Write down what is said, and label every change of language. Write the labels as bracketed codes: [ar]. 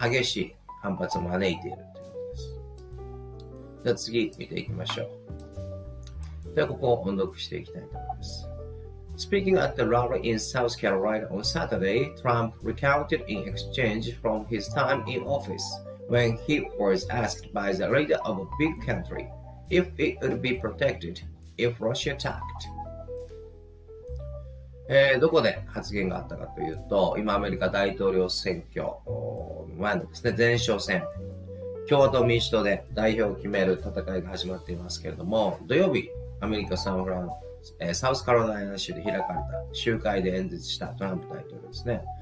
[ja] 激しい反発を招いているということです。じゃあ次見ていきましょう。ではここを音読していきたいと思います。 [en] Speaking at the rally in South Carolina on Saturday, Trump recounted an exchange from his time in office when he was asked by the leader of a big country if it would be protected if Russia attacked. [ja] どこで発言があったかというと、今アメリカ大統領選挙の前のですね、前哨戦、共和党民主党で代表を決める戦いが始まっていますけれども、土曜日、アメリカサンフランサウスカロライナ州で開かれた集会で演説したトランプ大統領ですね。